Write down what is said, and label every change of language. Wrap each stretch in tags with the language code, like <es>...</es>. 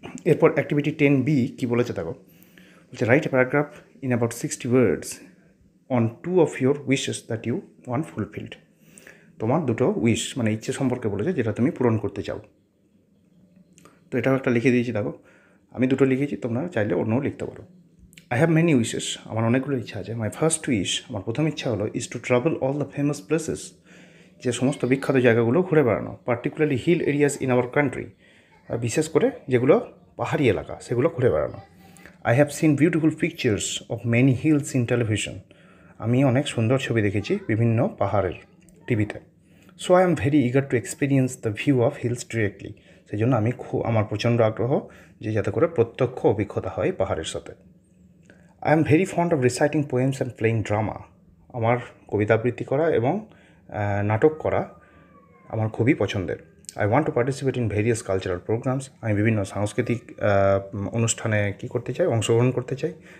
<bn>এরপর activity ten B কী বলেছে দেখো, বলছে</bn> <en>write a paragraph in about 60 words on two of your wishes that you want fulfilled,</en> <bn>তোমার দুটো উইশ মানে ইচ্ছে সম্পর্কে বলেছে যেটা তুমি পূরণ করতে চাও, তো এটাও একটা লিখে দিয়েছি দেখো, আমি দুটো লিখেছি, তোমরা চাইলে অন্যও লিখতে পারো।</bn> <en>I have many wishes.</en> <bn>আমার অনেকগুলো ইচ্ছা আছে.</bn> <en>My first wish,</en> <bn>আমার প্রথম ইচ্ছা হলো,</bn> <en>is to travel all the famous places.</en> <bn>যে সমস্ত বিখ্যাত জায়গাগুলো ঘুরে বেড়ানো,</bn> <en>particularly hill areas in our country.</en> <bn>আর বিশেষ করে যেগুলো পাহাড়ি এলাকা সেগুলো ঘুরে বেড়ানো.</bn> <en>I have seen beautiful pictures of many hills in television.</en> <bn>আমি অনেক সুন্দর ছবি দেখেছি বিভিন্ন পাহাড়ের টিভিতে.</bn> <en>So I am very eager to experience the view of hills directly.</en> <bn>সেই জন্য আমি খুব আমার প্রচণ্ড আগ্রহ যে যাতে করে প্রত্যক্ষ অভিজ্ঞতা হয় পাহাড়ের সাথে.</bn> <en>I am very fond of reciting poems and playing drama.</en> <bn>আমার কবিতা আবৃত্তি করা এবং নাটক করা আমার খুবই পছন্দের.</bn> <en>I want to participate in various cultural programs.</en> <bn>আমি বিভিন্ন সাংস্কৃতিক অনুষ্ঠানে কি করতে চাই, অংশগ্রহণ করতে চাই.</bn>